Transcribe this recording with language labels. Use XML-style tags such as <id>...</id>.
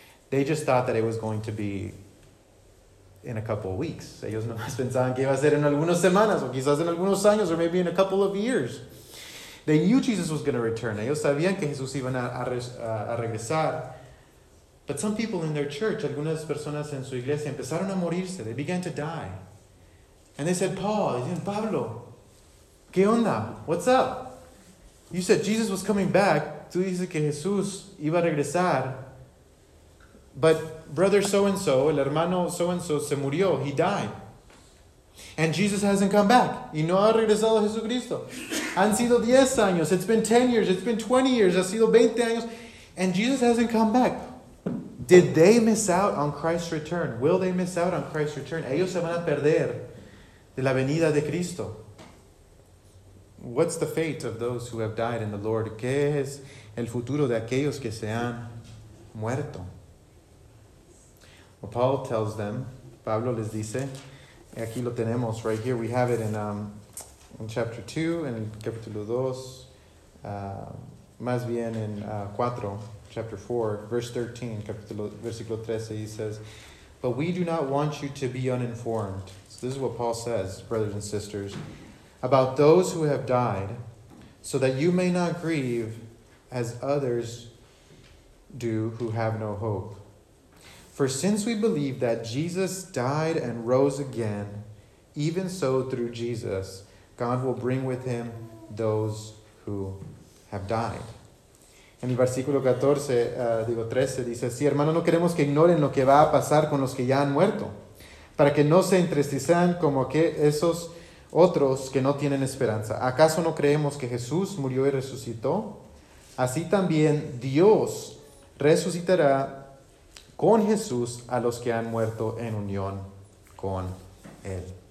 <en>They just thought that it was going to be in a couple of weeks.</en> <es>Ellos nomás pensaban que iba a ser en algunas semanas, o quizás en algunos años,</es> <en>or maybe in a couple of years. They knew Jesus was going to return.</en> <es>Ellos sabían que Jesús iba a regresar.</es> <en>But some people in their church,</en> <es>algunas personas en su iglesia, empezaron a morirse.</es> <en>They began to die. And they said, Paul, they said,</en> <es>Pablo, ¿qué onda?</es> <en>What's up? You said Jesus was coming back.</en> <es>Tú dices que Jesús iba a regresar.</es> <en>But brother so-and-so,</en> <es>el hermano so-and-so, se murió.</es> <en>He died. And Jesus hasn't come back.</en> <es>Y no ha regresado Jesucristo. Han sido 10 años.</es> <en>It's been 10 years. It's been 20 years.</en> <es>Ha sido 20 años.</es> <en>and Jesus hasn't come back. Did they miss out on Christ's return? Will they miss out on Christ's return?</en> <es>Ellos se van a perder de la venida de Cristo.</es> <en>What's the fate of those who have died in the Lord?</en> <es>¿Qué es el futuro de aquellos que se han muerto?</es> <en>Well, Paul tells them,</en> <es>Pablo les dice, aquí lo tenemos</es> <en>right here. We have it in chapter 2, in</en> <es>capítulo 2, más bien en 4,</es> <en>chapter 4, verse 13,</en> <es>capítulo, versículo 13,</es> <en>he says, but we do not want you to be uninformed. So this is what Paul says, brothers and sisters, about those who have died, so that you may not grieve as others do who have no hope. For since we believe that Jesus died and rose again, even so through Jesus, God will bring with him those who have died.</en> <es>En el versículo 14, digo 13, dice, sí, hermano, no queremos que ignoren lo que va a pasar con los que ya han muerto, para que no se entristezcan como que esos otros que no tienen esperanza. ¿Acaso no creemos que Jesús murió y resucitó? Así también Dios resucitará con Jesús a los que han muerto en unión con Él.</es>